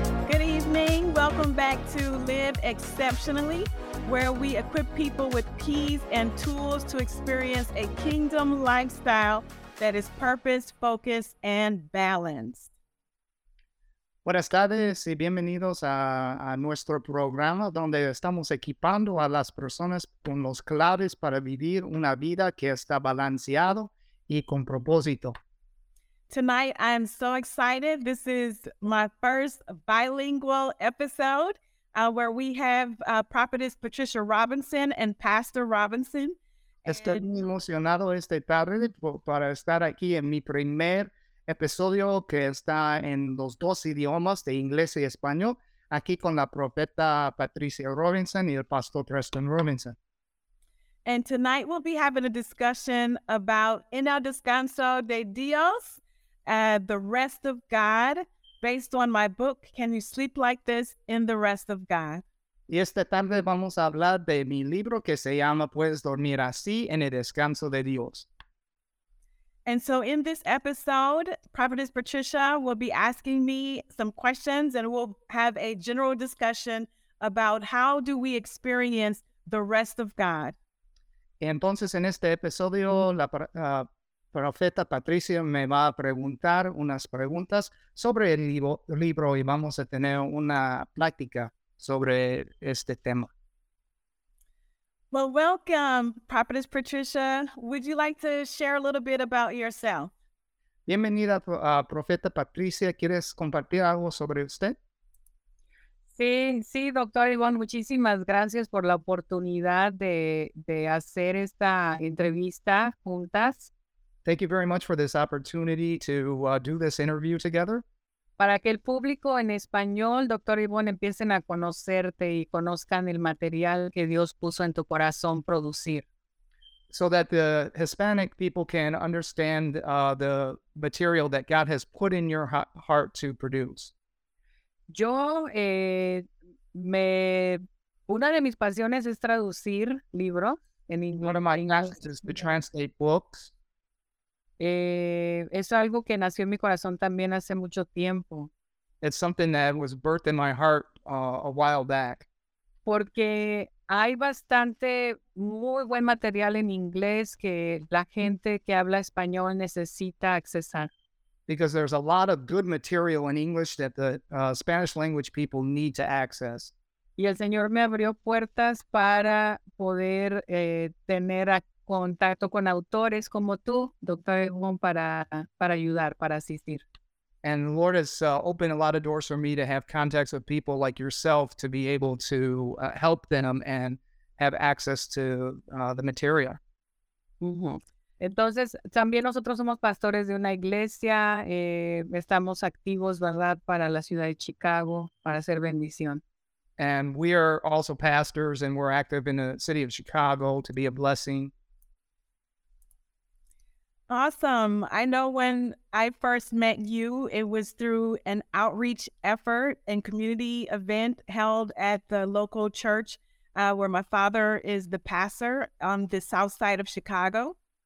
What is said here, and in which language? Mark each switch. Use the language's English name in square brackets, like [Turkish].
[English] Good evening. Welcome back to Live Exceptionally, where we equip people with keys and tools to experience a kingdom lifestyle that is purpose, focus, and balanced. [Spanish] Buenas tardes y bienvenidos a nuestro programa donde estamos equipando a las personas con los claves para vivir una vida que está balanceado y con propósito. [English] Tonight, I'm so excited. This is my first bilingual episode where we have prophetess Patricia Robinson and Pastor Robinson. [Spanish] Estoy muy emocionado esta tarde para estar aquí en mi primer episodio que está en los dos idiomas de inglés y español, aquí con la profeta Patricia Robinson y el pastor Preston Robinson. [English] And tonight we'll be having a discussion about En el Descanso de Dios, the rest of God, based on my book, Can You Sleep Like This in the Rest of God? [Spanish] Y esta tarde vamos a hablar de mi libro que se llama Puedes Dormir Así en el Descanso de Dios. [English] And so in this episode, Prophetess Patricia will be asking me some questions and we'll have a general discussion about how do we experience the rest of God. [Spanish] Entonces, en este episodio, la profeta Patricia me va a preguntar unas preguntas sobre el libro y vamos a tener una plática sobre este tema. [English] Well, welcome, Prophetess Patricia. Would you like to share a little bit about yourself? [Spanish] Bienvenida, Profeta Patricia. ¿Quieres compartir algo sobre usted? Sí, doctor Yvonne. Muchísimas gracias por la oportunidad de hacer esta entrevista juntas. [English] Thank you very much for this opportunity to do this interview together. [Spanish] Para que el público en español, doctor Yvonne, empiecen a conocerte y conozcan el material que Dios puso en tu corazón producir. [English] So that the Hispanic people can understand the material that God has put in your heart to produce. [Spanish] Yo, una de mis pasiones es traducir libros en inglés. [English] One of my passions is to translate books. [Spanish] Es algo que nació en mi corazón también hace mucho tiempo. [English] It's something that was birthed in my heart a while back. [Spanish] Porque hay bastante muy buen material en inglés que la gente que habla español necesita accesar. [English] Because there's a lot of good material in English that the Spanish language people need to access. [Spanish] Y el Señor me abrió puertas para poder tener acceso. Contacto con autores como tú, Dr. Yvonne, para ayudar, para asistir. [English] And the Lord has opened a lot of doors for me to have contacts with people like yourself to be able to help them and have access to the material. [Spanish] Entonces, también nosotros somos pastores de una iglesia. Estamos activos, ¿verdad?, para la ciudad de Chicago, para hacer bendición. [English] And we are also pastors and we're active in the city of Chicago to be a blessing. Awesome. I know when I first met you, it was through an outreach effort and community event held at the local church where my father is the pastor on the south side of Chicago.